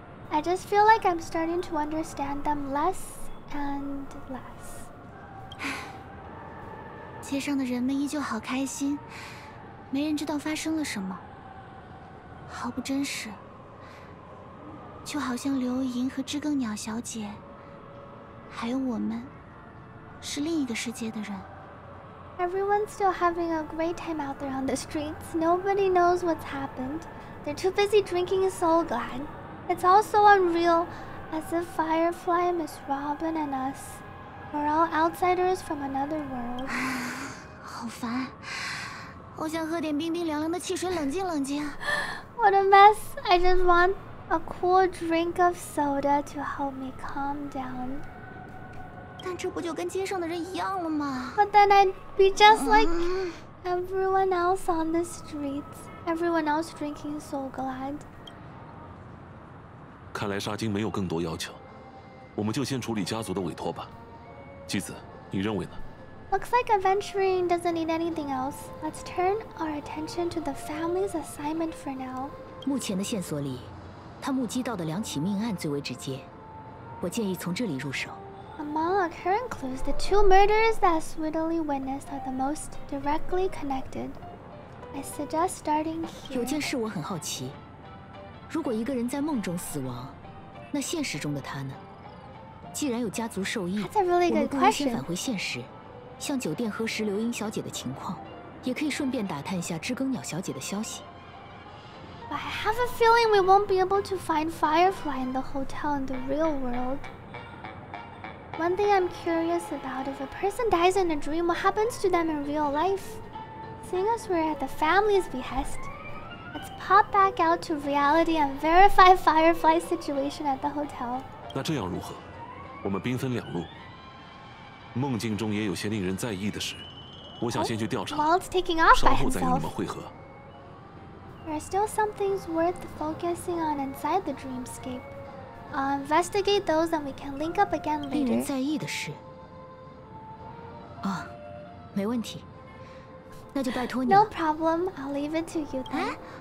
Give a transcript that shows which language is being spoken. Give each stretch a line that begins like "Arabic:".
English: I just feel like I'm starting to understand them less and less.
Chinese: 街上的人们依旧好开心。没人知道发生了什么，毫不真实，就好像刘银和知更鸟小姐，还有我们，是另一个世界的人。
English: Everyone's still having a great time out there on the streets. Nobody knows what's happened. They're too busy drinking soul glad. It's all so unreal, as if Firefly, Miss Robin, and us are all outsiders from another world.
Chinese: 好烦。我想喝点冰冰凉凉的汽水冷静冷静。
English: What a mess. I just want a cool drink of soda to help me calm down.
Chinese: 但这不就跟街上的人一样了吗？
English: But then I'd be just like everyone else on the streets. Everyone else drinking so glad.
Chinese: 看来沙金没有更多要求。我们就先处理家族的委托吧。继子，你认为呢？
English: Looks like aventurine doesn't need anything else. Let's turn our attention to the family's assignment for now.
Chinese: 目前的线索里，他目击到的两起命案最为直接。我建议从这里入手。
English: Among our current clues, the two murders that Swiddly witnessed are the most directly connected. I suggest starting here.
Chinese: 有件事我很好奇。如果一个人在梦中死亡，那现实中的他呢？既然有家族受益，
English: That's a really good question.
Chinese: 我们可以先返回现实。向酒店核实刘英小姐的情况，也可以顺便打探一下知更鸟小姐的消息。
English: But I have a feeling we won't be able to find Firefly in the hotel in the real world. One thing I'm curious about, if a person dies in a dream, what happens to them in real life? Seeing as we're at the family's behest, let's pop back out to reality and verify Firefly's situation at the hotel.
Chinese: 那这样如何？我们兵分两路。梦境中也有些令人在意的事，我想先去调查，稍后再与你们会合。
English: There are still some things worth focusing on inside the dreamscape. I'll investigate those and we can link up again later.
Chinese: 令人在意的事。哦，没问题。那就拜托你。
English: No problem. I'll leave it to you then.